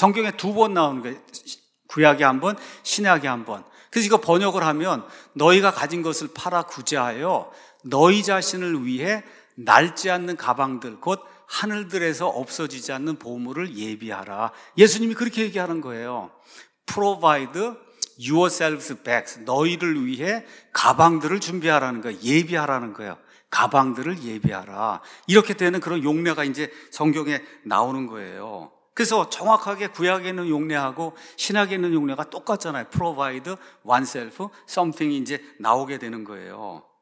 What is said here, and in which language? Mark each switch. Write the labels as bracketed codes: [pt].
[ko] 성경에 두 번 나오는 거예요. 구약에 한 번, 신약에 한 번. 그래서 이거 번역을 하면 너희가 가진 것을 팔아 구제하여 너희 자신을 위해 낡지 않는 가방들, 곧 하늘들에서 없어지지 않는 보물을 예비하라. 예수님이 그렇게 얘기하는 거예요. [en] Provide yourselves bags. [ko] 너희를 위해 가방들을 준비하라는 거예요. 예비하라는 거예요. 가방들을 예비하라. 이렇게 되는 그런 용례가 이제 성경에 나오는 거예요. 그래서 정확하게 구약에 있는 용례하고 신약에 있는 용례가 똑같잖아요. [en] Provide oneself something [ko] 이 이제 나오게 되는 거예요.